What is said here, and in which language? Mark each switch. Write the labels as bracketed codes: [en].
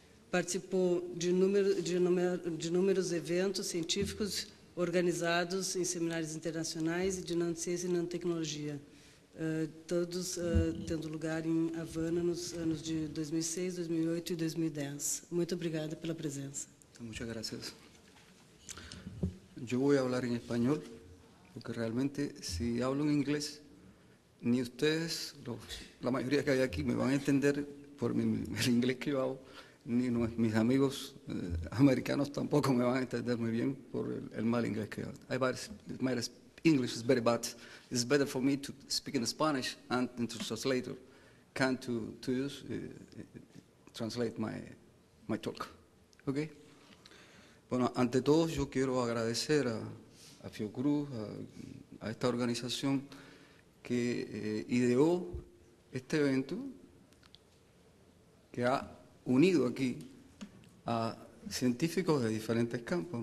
[pt] Participou de inúmeros eventos científicos organizados em seminários internacionais e de nanociência e nanotecnologia, todos tendo lugar em Havana nos anos de 2006, 2008 e 2010. Muito obrigada pela presença. [es] Muchas gracias. Yo voy a hablar en español, porque realmente si hablo en inglés, ni ustedes, la mayoría que hay aquí, me van a entender por el inglés que yo hablo, ni mis amigos americanos tampoco me van a entender muy bien por el mal inglés que yo hablo. [en] My English is very bad. It's better for me to speak in Spanish and in translator, can to use translate my talk. Okay. [es] Bueno, ante todo, yo quiero agradecer a Fiocruz, a esta organización que ideó este evento, que ha unido aquí a científicos de diferentes campos.